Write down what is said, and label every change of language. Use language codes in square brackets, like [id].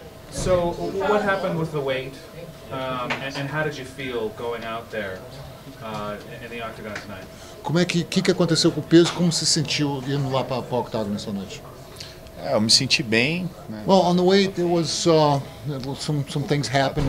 [en] So what happened with the weight, and how did you feel going out there in the octagon tonight? [pt] Como é que aconteceu com o peso? Como se sentiu indo lá para o octagon essa noite? Eu me senti bem. [en] Well, on the way, there was some things happened.